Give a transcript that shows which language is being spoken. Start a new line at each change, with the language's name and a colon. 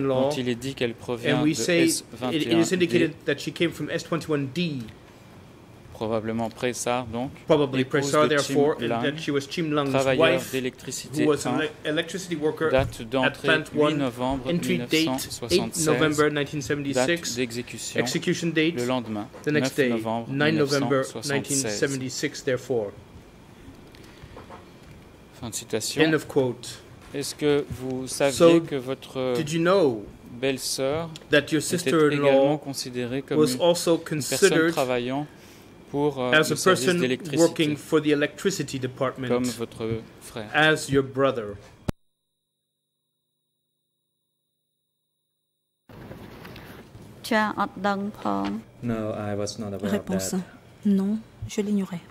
French: dont il est dit qu'elle provient de S21D.
English: It is indicated that she came from S21D.
French: Probablement Pressar, donc.
English: Probably Pressar, therefore, Lang, that she was Chim Lung's wife,
French: d'électricité
English: who was an electricity worker at Plant 1, entry date 1976, November 1976, execution date
French: le lendemain,
English: the next day, 9 November 1976, therefore.
French: Fin de citation.
English: End of quote.
French: Est-ce que vous saviez que votre belle-sœur était également considérée comme une personne travaillant pour,
English: as a person working for the electricity department,
French: comme votre frère.
English: As your brother. No, I was not aware
French: réponse.
English: Of that.
French: Non, je l'ignorais.